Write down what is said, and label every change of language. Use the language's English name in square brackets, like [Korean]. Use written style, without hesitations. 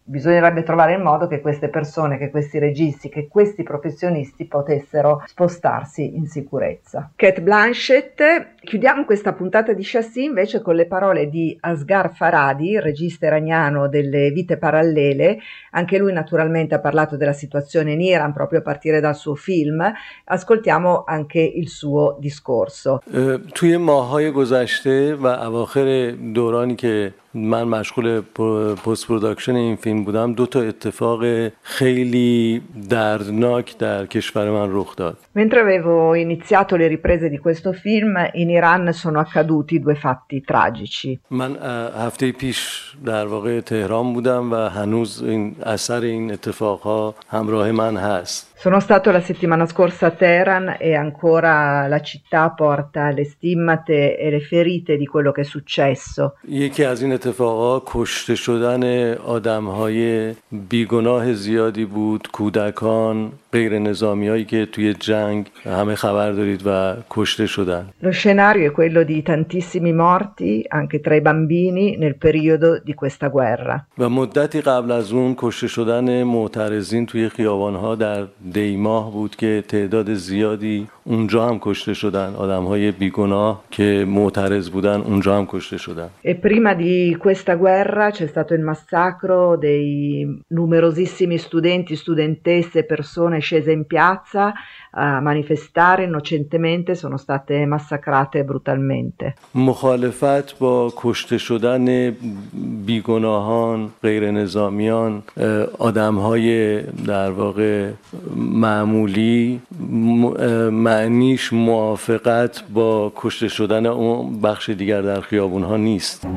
[Italian] Bisognerebbe trovare il modo che queste persone, che questi registi, che questi professionisti potessero spostarsi in sicurezza. Cate Blanchett. Chiudiamo questa puntata di Chassis invece con le parole di Asghar Farhadi, regista iraniano delle Vite Parallele. Anche lui naturalmente ha parlato della situazione in Iran proprio a partire dal suo film. Ascoltiamo anche il suo discorso. [Persian] توی ماه‌های گذشته و اواخر دورانی که من مشغول پست پروداکشن این فیلم بودم، دو تا اتفاق خیلی دردناک در کشور من رخ داد. [Italian] Mentre avevo iniziato le riprese di questo film, in Iran sono accaduti due fatti tragici. [Persian] من هفته پیش در واقع تهران بودم و هنوز این اثر این اتفاق‌ها همراه من هست. [Italian] Sono stato la settimana scorsa a Teheran e ancora la città porta le stimmate e le ferite di quello che è successo. [Persian] یکی از این اتفاق‌ها کشته شدن آدم‌های بی‌گناه زیادی بود، کودکان، غیر نظامی‌هایی که توی جنگ همه خبر دارید و کشته شدن. [Italian] Lo scenario è quello di tantissimi morti anche tra i bambini nel periodo di questa guerra. [Persian] و مدتی قبل از اون کشته شدن معترضین توی خیابان‌ها در دیماه بود که تعداد زیادی اونجا هم کشته شدن، آدم‌های بی‌گناه که معترض بودن اونجا هم کشته شدن. [Italian] E prima di questa guerra c'è stato il massacro dei numerosissimi studenti, studentesse, persone scese in piazza a manifestare innocentemente, sono state massacrate brutalmente. [Persian] مخالفت با کشته شدن بیگناهان، غیر نظامیان، آدم‌های در واقع معمولی معنیش موافقت با کشته شدن اون بخش دیگر در خیابون‌ها نیست.